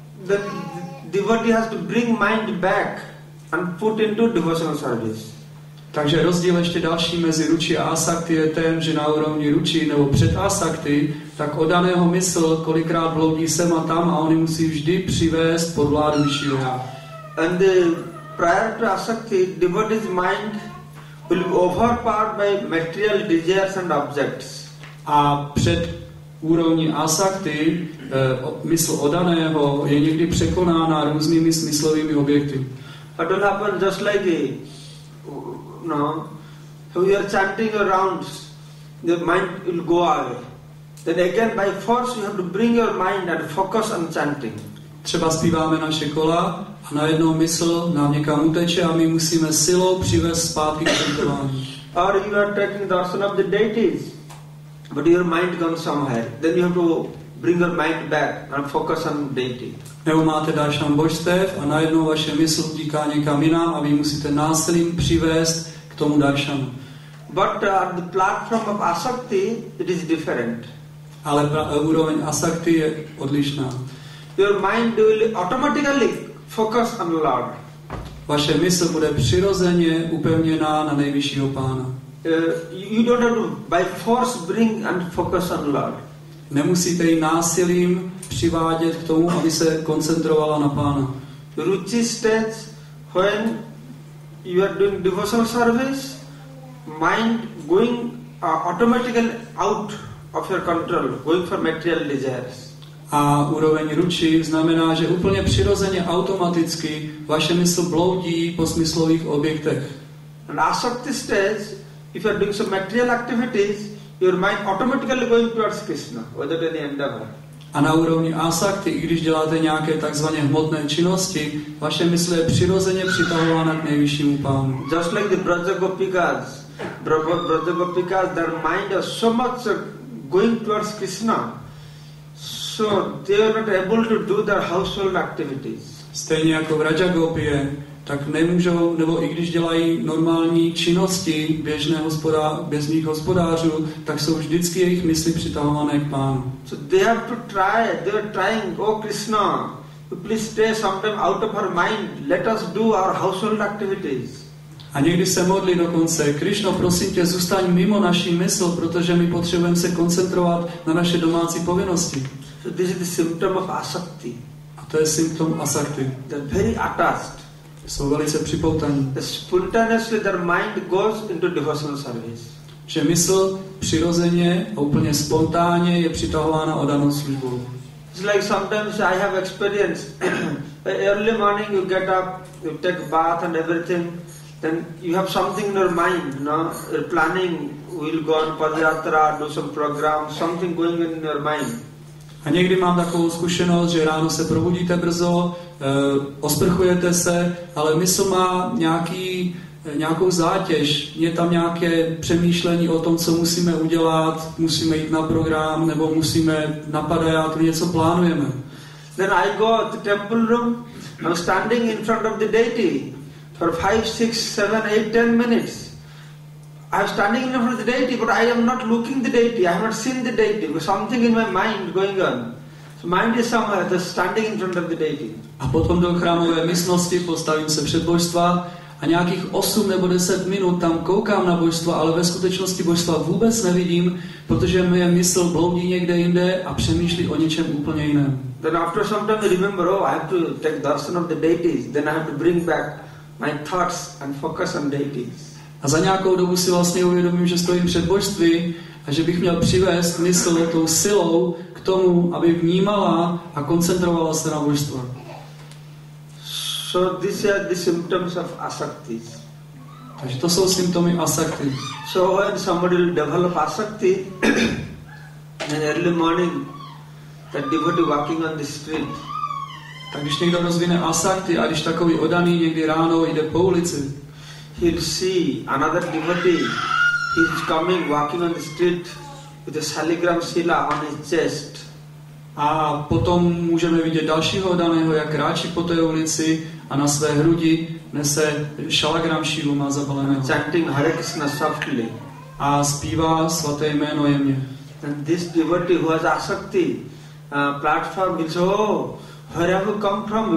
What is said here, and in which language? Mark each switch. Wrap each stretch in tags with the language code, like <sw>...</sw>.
<en>Then devotee has to bring mind back and put into devotional service.</en> <cs>Takže rozdíl ještě další mezi ruchi a asakti je ten, že na úrovni ruchi nebo před asakti, tak odaného mysl kolikrát bloudí sem a tam a oni musí vždy přivést pod vládu vyššího já.</cs> <en>And the prior to asakti, devotee's mind will be overpowered by material desires and objects.</en> <cs>A před úrovní asakti, mysl odaného je někdy překonána různými smyslovými objekty.</cs> <en>But don't happen just like it. No, so you are chanting your rounds, the mind will go away. Then again by force you have to bring your mind and focus on chanting.</en> <cs>Třeba zpíváme naše kola a najednou mysl nám někam uteče a my musíme silou přivést zpátky k chantování.</cs> <en>Or you are taking the darshan of the deities, but your mind comes somewhere. Then you have to bring your mind back and focus on deity.</en> <cs>Nebo máte darshan božstev a najednou vaše mysl utíká někam jinam a vy musíte násilím přivést k tomu darshanu.</cs> <en>But at the platform of asakti, it is different.</en> <cs>Ale úroveň asakti je odlišná.</cs> <en>Your mind will automatically focus on the Lord.</en> <cs>Vaše mysl bude přirozeně upevněná na nejvyššího pána.</cs> <en>You don't have to by force bring and focus on the Lord.</en> <cs>Nemusíte jí násilím přivádět k tomu, aby se koncentrovala na pána.</cs> <en>Ruchi stage, when you are doing devotional service, mind going automatically out of your control, going for material desires.</en> <cs>A úroveň ruči znamená, že úplně přirozeně automaticky vaše mysl bloudí po smyslových objektech.</cs> <en>And asakti stage, if you are doing some material activities, your mind automatically going towards Krishna, without any endeavor.</en> <cs>A na úrovni asakti, i když děláte nějaké takzvané hmotné činnosti, vaše mysl je přirozeně přitahována k nejvyššímu pánu.</cs> <en>Just like the Brajagopikas, Brajagopikas, their mind is so much going towards Krishna, so they are not able to do their household activities.</en> <cs>Stejně jako v Rajagopie, tak nemůžou, nebo i když dělají normální činnosti běžného bezných hospodářů, tak jsou vždycky jejich mysli přitahované k pánu.</cs> <en>So they have to try, they are trying, oh Krishna, please stay sometime out of our mind, let us do our household activities.</en> <cs>A někdy se modlí dokonce, Krišno, prosím tě, zůstaň mimo naší mysl, protože my potřebujeme se koncentrovat na naše domácí povinnosti.</cs> <en>So this is the symptom of asakti.</en> <cs>A to je symptom asakti.</cs> <en>They're very attached.</en> <cs>Jsou velice připoutaní.</cs> <en>Spontaneously their mind goes into devotional service.</en> <cs>Že mysl přirozeně a úplně spontánně je přitahována o danou službu.</cs> <en>It's like sometimes I have experience. Early morning you get up, you take bath and everything. Then you have something in your mind, no? You're planning, we'll go on padyatra, do some program, something going in your mind.</en> <cs>A někdy mám takovou zkušenost, že ráno se probudíte brzo, osprchujete se, ale mysl má nějakou zátěž, je tam nějaké přemýšlení o tom, co musíme udělat, musíme jít na program, nebo musíme na padyatru, něco plánujeme.</cs> <en>Then I go to the temple room, I'm standing in front of the deity. For 5, 6, 7, 8, 10 minutes, I'm standing in front of the deity, but I am not looking the deity. I have not seen the deity. There's something in my mind going on. So mind is somewhere. Just standing in front of the deity.</en> <cs>A potom do chrámové místnosti postavím se před božstva a nějakých 8 nebo 10 minut tam koukám na božstvo, ale ve skutečnosti božstva vůbec nevidím, protože moje mysl bloudí někde jinde a přemýšlí o něčem úplně jiném.</cs> <en>Then after some time, I remember, oh, I have to take darshan of the deities. Then I have to bring back my thoughts and focus on deities.</en> <cs>A za nějakou dobu si vlastně uvědomím, že stojím před božství a že bych měl přivést mysl tou silou k tomu, aby vnímala a koncentrovala se na božstvo.</cs> <en>So these are the symptoms of asakti.</en> <cs>Takže to jsou symptomy asakti.</cs> <en>So when somebody will develop asakti in early morning, that devotee walking on the street.</en> <cs>Tak když někdo rozvine asakti a když takový odaný někdy ráno jde po ulici,</cs> <en>he'll see another devotee, he's coming, walking on the street with a shaligram sila on his chest.</en> <cs>A potom můžeme vidět dalšího odaného, jak kráčí po té ulici a na své hrudi nese shaligram šílu, má zabaleného.</cs> <en>Chanting Hare Krishna softly.</en> <cs>A zpívá svaté jméno jemně.</cs> <en>And this devotee who has asakti, platform is, oh, where have you come from?</en>